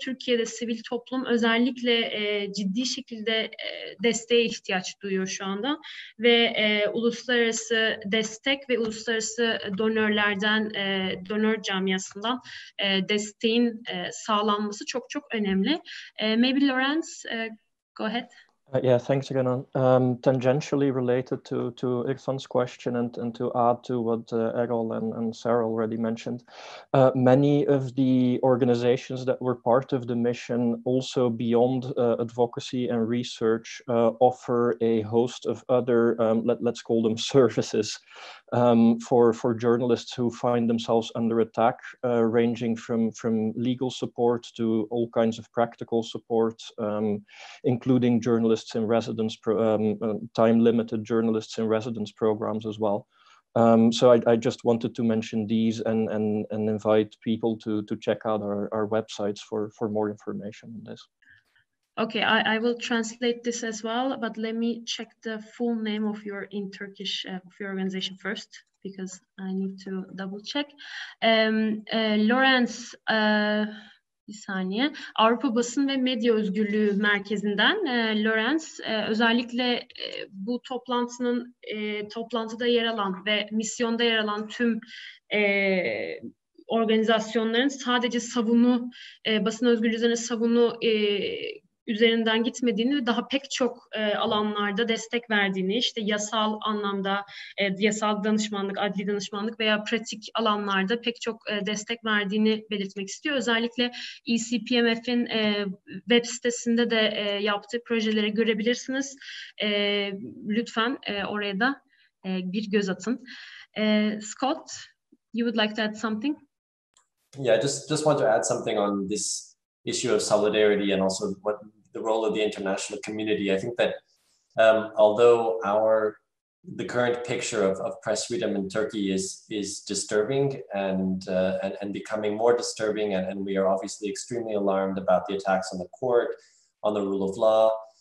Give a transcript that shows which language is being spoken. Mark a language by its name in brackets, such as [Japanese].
[Turkish] Türkiye'de sivil toplum özellikle ciddi şekilde desteğe ihtiyaç duyuyor şu anda ve uluslararası destek ve uluslararası donörlerden, donör camiasından desteğin sağlanması çok çok önemli. [English] Maybe Lawrence, go ahead. Yeah, thanks again. Tangentially related to Irfan's question and to add to what Errol and Sarah already mentioned, many of the organizations that were part of the mission also beyond advocacy and research offer a host of other, let's call them services for journalists who find themselves under attack, ranging from legal support to all kinds of practical support, including journalists in residence, time-limited journalists in residence programs as well. So I just wanted to mention these and invite people to check out our websites for more information on this. Okay, I will translate this as well, but let me check the full name of your in Turkish of your organization first, because I need to double check. [Turkish] Lawrence, bir saniye. Avrupa Basın ve Medya Özgürlüğü Merkezi'nden Lorenz, özellikle bu toplantının toplantıda yer alan ve misyonda yer alan tüm organizasyonların sadece savunu, basın özgürlüğü üzerine savunu üzerinden gitmediğini ve daha pek çok alanlarda destek verdiğini, işte yasal anlamda yasal danışmanlık, adli danışmanlık veya pratik alanlarda pek çok destek verdiğini belirtmek istiyor. Özellikle ECPMF'in web sitesinde de yaptığı projeleri görebilirsiniz. Lütfen oraya da bir göz atın. [English] Scott, you would like to add something? Yeah, just want to add something on this issue of solidarity and also what the role of the international community. I think that although the current picture of press freedom in Turkey is disturbing and becoming more disturbing, and we are obviously extremely alarmed about the attacks on the court, on the rule of law.